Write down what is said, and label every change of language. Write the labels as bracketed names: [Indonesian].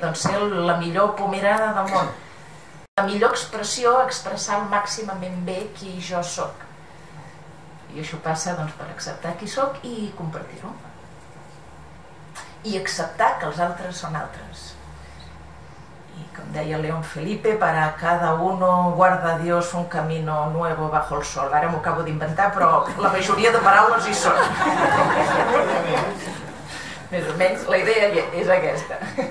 [Catalan] Doncs ser la millor pomera del món. La millor expressió, expressar màximament bé qui jo sóc. I això passa, doncs, per acceptar qui sóc i compartir-ho. I acceptar que els altres són altres. I com deia [Spanish] León Felipe, para cada uno guarda Dios un camino nuevo bajo el sol. [Catalan] Ara m'ho acabo d'inventar, però la majoria de paraules hi són. Més o menys la idea és aquesta.